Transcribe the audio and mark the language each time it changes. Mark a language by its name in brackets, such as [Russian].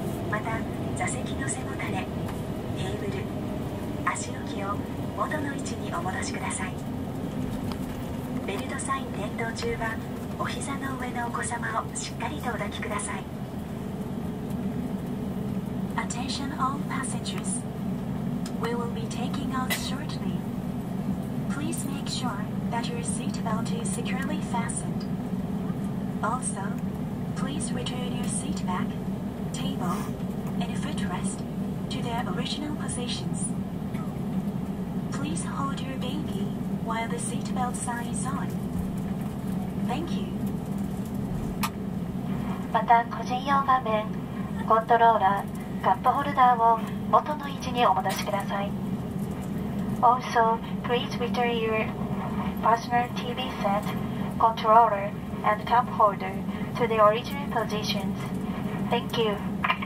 [Japanese] また座席の背もたれ、テーブル、足置きを元の位置にお戻しください。ベルトサイン点灯中はお膝の上のお子様をしっかりとお抱きください。 [English] Attention all passengers. We will be taking off shortly. Please make sure that your seat belt is securely fastened. Also, please return your seat back, table, and footrest to their original positions. Please hold your baby while the seat belt sign is on. Thank you. [Japanese] また個人用画面、コントローラー、カップホルダーを元の位置にお戻しください。 [English] Also, please return your personal TV set, controller, and cup holder to the original positions. Thank you.